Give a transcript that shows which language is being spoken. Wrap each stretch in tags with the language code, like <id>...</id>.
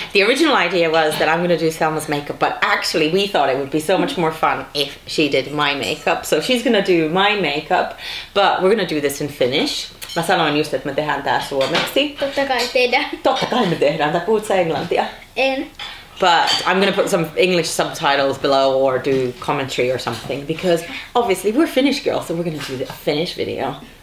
<en>The original idea was that I'm gonna do Selma's makeup, but actually we thought it would be so much more fun if she did my makeup. So she's gonna do my makeup, but we're gonna do this in Finnish.</en> <fi>Mä sanoin just, että me tehdään tää suomeksi. Totta kai tehdään. Totta kai me tehdään. Tai puhut sä englantia? En.</fi> <en>But I'm gonna put some English subtitles below or do commentary or something, because obviously we're Finnish girls, so we're gonna do a Finnish video.</en>